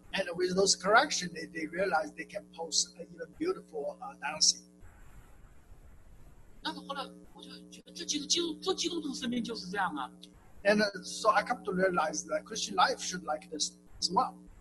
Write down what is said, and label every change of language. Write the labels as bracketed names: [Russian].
[English] And with those correction, they realize they can pose an even beautiful dancing. [Chinese] 但是后来我就觉得这基督徒身边就是这样啊。 [English] And so I come to realize that Christian life should like this as well.